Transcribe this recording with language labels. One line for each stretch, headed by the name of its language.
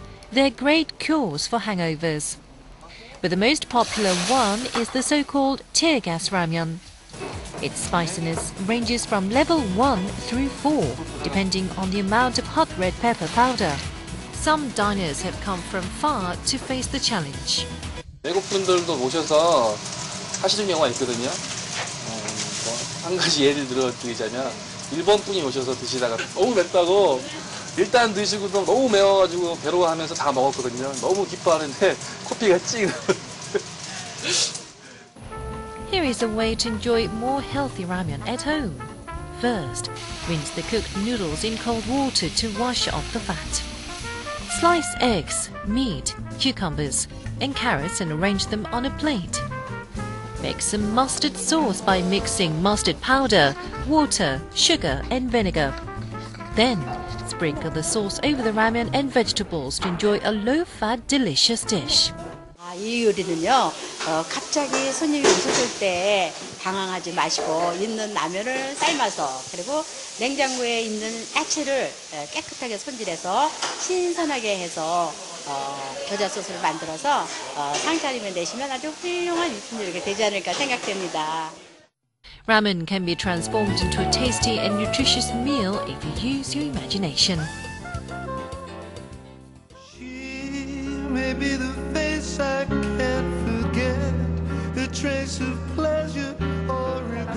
English: They're great cures for hangovers. But the most popular one is the so-called tear gas ramyun. Its spiciness ranges from level 1 through 4, depending on the amount of hot red pepper powder. Some diners have come from far to face the challenge.
Korean: 외국분들도 오셔서 하시는 경우가 있거든요. 한 가지 예를 들어 드리자면 일본 분이 오셔서 드시다가 너무 맵다고 일단 드시고도 너무 매워가지고 괴로워하면서 다 먹었거든요. 너무 기뻐하는데 코피가 찡.
English: Here is a way to enjoy more healthy ramyun at home. First, rinse the cooked noodles in cold water to wash off the fat. Slice eggs, meat, cucumbers, and carrots and arrange them on a plate. Make some mustard sauce by mixing mustard powder, water, sugar, and vinegar. Then, sprinkle the sauce over the ramyun and vegetables to enjoy a low-fat, delicious dish.
Korean: 이 요리는요, 갑자기 손님이 오셨을 때 당황하지 마시고 있는 라면을 삶아서 그리고 냉장고에 있는 야채를 깨끗하게 손질해서 신선하게 해서 겨자 소스를 만들어서 상차림에 내시면 아주 훌륭한 이렇게 되지 않을까 생각됩니다.
English: Ramen can be transformed into a tasty and nutritious meal if you use your imagination. Maybe the face I can't forget, the trace of pleasure or regret.